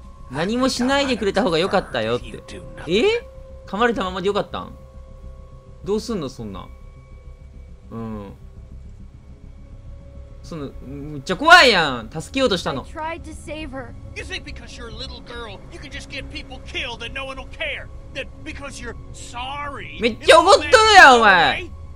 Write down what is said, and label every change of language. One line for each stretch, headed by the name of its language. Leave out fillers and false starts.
Japanese: 何もしないでくれた方が良かったよって。え？噛まれたままで良かったん？どうすんのそんな。うん。そのめっちゃ怖いやん。助けようとしたの。
English: You think because you're a little girl, you can just get people killed and no one will care? That because you're sorry,
Japanese: めっちゃ怒っとるやんお前。